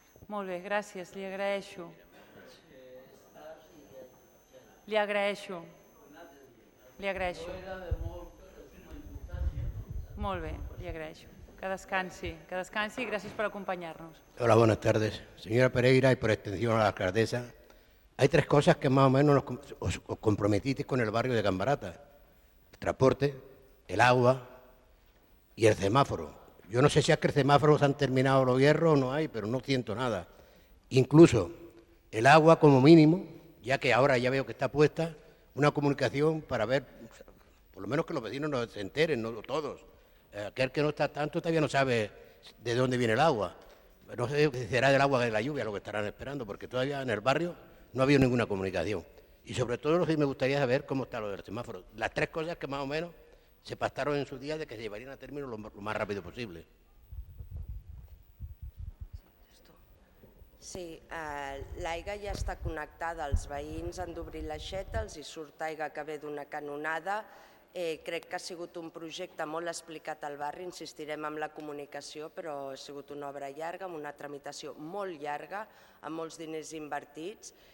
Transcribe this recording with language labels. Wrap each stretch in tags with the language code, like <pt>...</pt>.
<ca>Molt bé, gràcies, li agraeixo. Li agraeixo. Li agraeixo. Molt bé, li agraeixo. Que descansi i gràcies per acompanyar-nos.</ca> <es>Hola, buenas tardes. Señora Pereira y por extensión a la alcaldesa, hay tres cosas que más o menos os comprometisteis con el barrio de Gambarata. El transporte, el agua y el semáforo. Yo no sé si es que el semáforo se han terminado los hierros o no hay, pero no siento nada. Incluso el agua como mínimo, ya que ahora ya veo que está puesta, una comunicación para ver, por lo menos que los vecinos no se enteren, no todos. Aquel que no está tanto todavía no sabe de dónde viene el agua. No sé si será del agua de la lluvia lo que estarán esperando, porque todavía en el barrio no ha habido ninguna comunicación. Y sobre todo lo que me gustaría saber cómo está lo del semáforo. Las tres cosas que más o menos se pactaron en su día de que se llevarían a término lo más rápido posible.</es> <ca>Sí, l'aigua ja està connectada, els veïns han d'obrir l'aixeta, els hi surt aigua que ve d'una canonada. Crec que ha sigut un projecte molt explicat al barri, insistirem en la comunicació, però ha sigut una obra llarga, amb una tramitació molt llarga, amb molts diners invertits.</ca>